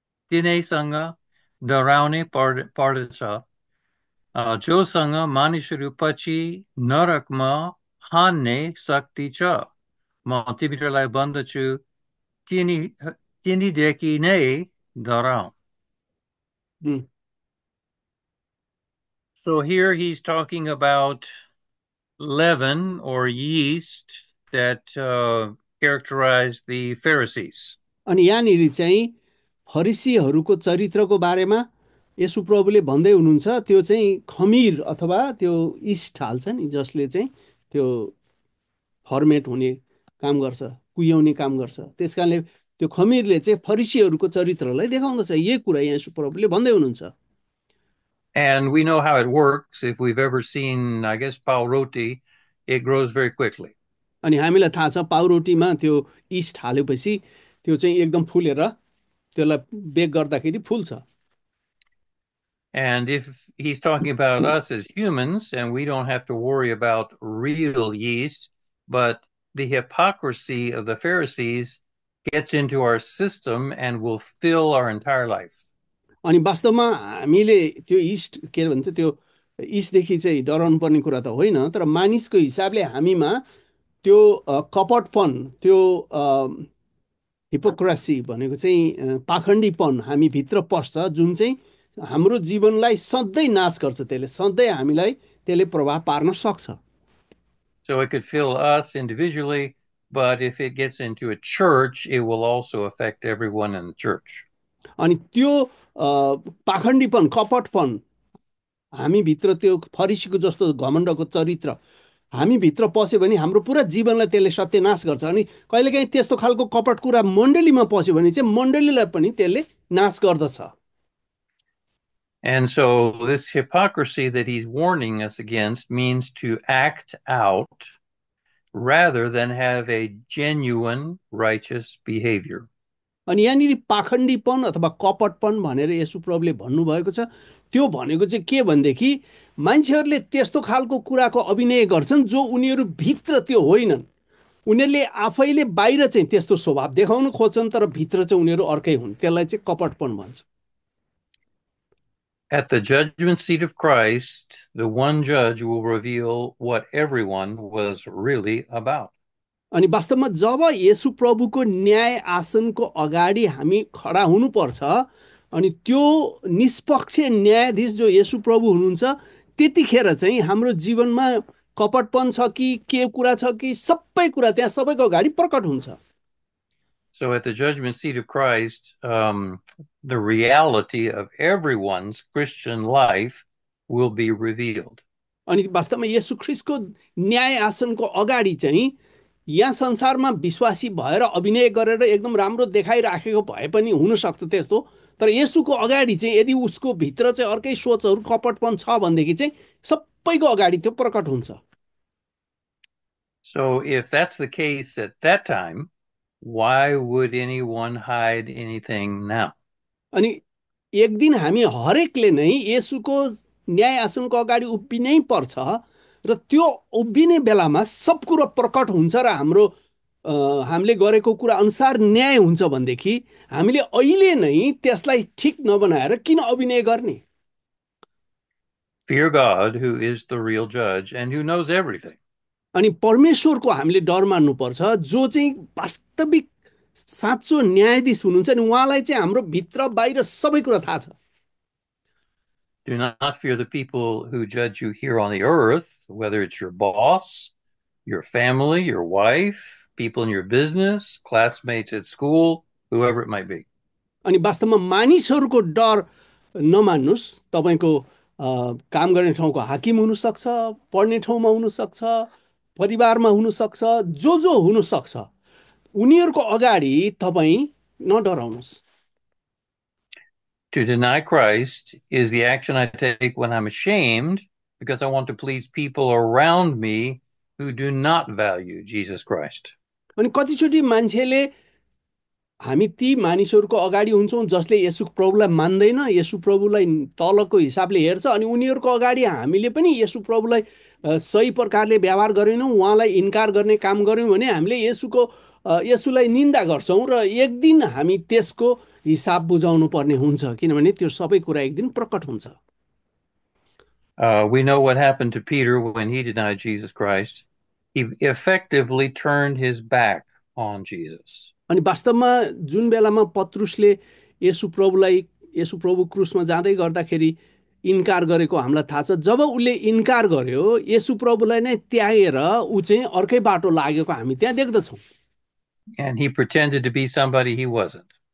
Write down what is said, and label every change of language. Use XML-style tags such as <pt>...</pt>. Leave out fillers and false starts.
<ne>तिनैसँग डराउने पर्दछ जोसँग मानिसहरू पछि नरकमा हान्ने शक्ति छ। म तिमीहरूलाई भन्दछु, तिनीदेखि नै डराउ।</ne> <en>So here he's talking about leaven or yeast that characterized the Pharisees.</en> <ne>अनि यहाँनिर चाहिँ फरिसीहरूको चरित्रको बारेमा यशु प्रभुले भन्दै हुनुहुन्छ, त्यो चाहिँ खमीर अथवा त्यो इस्ट हाल्छ नि, जसले चाहिँ त्यो फर्मेट हुने काम गर्छ, कुयाउने काम गर्छ, त्यसकारणले त्यो खमीरले चाहिँ फरिसीहरूको चरित्रलाई देखाउँदछ, यही कुरा यशु प्रभुले भन्दै हुनुहुन्छ।</ne> <en>And we know how it works. If we've ever seen, I guess, Pavarotti, it grows very quickly.</en> <ne>अनि हामीलाई थाहा छ पाउरोटीमा त्यो इस्ट हालेपछि त्यो चाहिँ एकदम फुलेर त्यसलाई बेक गर्दाखेरि फुल्छ।</ne> <en>And if he's talking about us as humans, and we don't have to worry about real yeast, but the hypocrisy of the Pharisees gets into our system and will fill our entire life.</en> <ne>अनि वास्तवमा हामीले त्यो east के भन्छ त्यो इस्टदेखि चाहिँ डराउनु पर्ने कुरा त होइन, तर मानिसको हिसाबले हामीमा त्यो कपटपन, त्यो हिपोक्रेसी भनेको चाहिँ पाखण्डीपन हामी भित्र पस्छ, जुन चाहिँ हाम्रो जीवनलाई सधैँ नाश गर्छ, त्यसले सधैँ हामीलाई त्यसले प्रभाव पार्न सक्छ।</ne> <en>So it could fill us individually, but if it gets into a church, it will also affect everyone in the church.</en> <ne>अनि त्यो पाखण्डीपन, कपटपन हामीभित्र त्यो फरिसीको जस्तो घमण्डको चरित्र हामीभित्र पस्यो भने हाम्रो पुरा जीवनलाई त्यसले सत्यनाश गर्छ, अनि कहिलेकाहीँ त्यस्तो खालको कपट कुरा मण्डलीमा पस्यो भने चाहिँ मण्डलीलाई पनि त्यसले नाश गर्दछ।</ne> <en>And so this hypocrisy that he's warning us against means to act out rather than have a genuine righteous behavior.</en> <ne>अनि यहाँनिर पाखण्डीपन अथवा कपटपन भनेर यशु प्रभुले भन्नुभएको छ, त्यो भनेको चाहिँ के भनेदेखि मान्छेहरूले त्यस्तो खालको कुराको अभिनय गर्छन् जो उनीहरू भित्र त्यो होइनन्, उनीहरूले आफैले बाहिर चाहिँ त्यस्तो स्वभाव देखाउन खोज्छन् तर भित्र चाहिँ उनीहरू अर्कै हुन्, त्यसलाई चाहिँ कपटपन भन्छ।</ne> <en>At the judgment seat of Christ, the one judge will reveal what everyone was really about.</en> <ne>अनि वास्तवमा जब येशु प्रभुको न्याय आसनको अगाडि हामी खडा हुनुपर्छ, अनि त्यो निष्पक्ष न्यायाधीश जो येशु प्रभु हुनुहुन्छ, त्यतिखेर चाहिँ हाम्रो जीवनमा कपटपन छ कि के कुरा छ कि सबै कुरा त्यहाँ सबैको अगाडि प्रकट हुन्छ।</ne> <en>So at the judgment seat of Christ, the reality of everyone's Christian life will be revealed.</en> <ne>अनि वास्तवमा येशु ख्रिस्टको न्याय आसनको अगाडि चाहिँ यहाँ संसारमा विश्वासी भएर अभिनय गरेर एकदम राम्रो देखाइराखेको भए पनि हुनसक्छ त्यस्तो, तर येशूको अगाडि चाहिँ यदि उसको भित्र चाहिँ अर्कै सोचहरू कपटपन छ भनेदेखि चाहिँ सबैको अगाडि त्यो प्रकट हुन्छ।</ne> <en>So if that's the case at that time, why would anyone hide anything now?</en> <ne>अनि एक दिन हामी हरेकले नै येशूको न्याय आसनको अगाडि उभिनै पर्छ, र त्यो उभिने बेलामा सब कुरो प्रकट हुन्छ, र हाम्रो हामीले गरेको कुरा अनुसार न्याय हुन्छ भनेदेखि हामीले अहिले नै त्यसलाई ठिक नबनाएर किन अभिनय गर्ने?</ne> <en>Fear God, who is the real judge and who knows everything.</en> <ne>अनि परमेश्वरको हामीले डर मान्नुपर्छ, जो चाहिँ वास्तविक साँचो न्यायाधीश हुनुहुन्छ, अनि उहाँलाई चाहिँ हाम्रो भित्र बाहिर सबै कुरा थाहा छ।</ne> <en>Do not fear the people who judge you here on the earth, whether it's your boss, your family, your wife, people in your business, classmates at school, whoever it might be.</en> <ne>अनि वास्तवमा मानिसहरूको डर नमान्नुहोस्। तपाईँको काम गर्ने ठाउँको हाकिम हुनसक्छ, पढ्ने ठाउँमा हुनसक्छ, परिवारमा हुनसक्छ, जो जो हुनसक्छ, उनीहरूको अगाडि तपाईँ नडराउनुहोस्।</ne> <en>To deny Christ is the action I take when I'm ashamed because I want to please people around me who do not value Jesus Christ.</en> <ne>अनि कतिचोटि मान्छेले, हामी ती मानिसहरूको अगाडि हुन्छौँ जसले येशु प्रभुलाई मान्दैन, येशु प्रभुलाई तलको हिसाबले हेर्छ, अनि उनीहरूको अगाडि हामीले पनि येशु प्रभुलाई सही प्रकारले व्यवहार गरेनौँ, उहाँलाई इन्कार गर्ने काम गऱ्यौँ भने हामीले येशुको येशुलाई निन्दा गर्छौँ, र एक दिन हामी त्यसको हिसाब बुझाउनु पर्ने हुन्छ, किनभने त्यो सबै कुरा एक दिन प्रकट हुन्छ।</ne> <en>We know what happened to Peter when he denied Jesus Christ. He effectively turned his back on Jesus.</en> <ne>अनि वास्तवमा जुन बेलामा पत्रुसले येशु प्रभुलाई, येशु प्रभु क्रुसमा जाँदै गर्दाखेरि इन्कार गरेको हामीलाई थाहा छ, जब उसले इन्कार गर्यो येशु प्रभुलाई नै त्यागेर ऊ चाहिँ अर्कै बाटो लागेको हामी त्यहाँ देख्दछौँ।</ne> <en>And he pretended to be somebody he wasn't.</en>